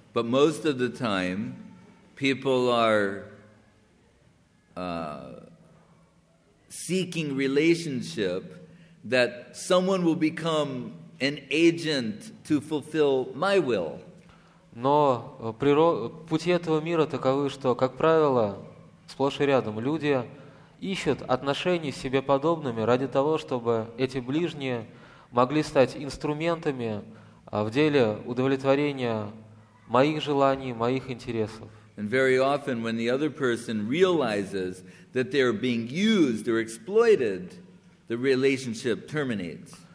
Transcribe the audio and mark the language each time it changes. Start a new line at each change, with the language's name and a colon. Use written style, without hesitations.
English: But most of the time, people are seeking relationship that someone will become an agent to fulfill my will.
Russian: Но пути этого мира таковы, что, как правило, сплошь и рядом люди ищут отношений с себе подобными ради того, чтобы эти ближние могли стать инструментами в деле удовлетворения моих желаний, моих интересов.
English: And very often when the other person realizes that they are being used or exploited, the relationship terminates.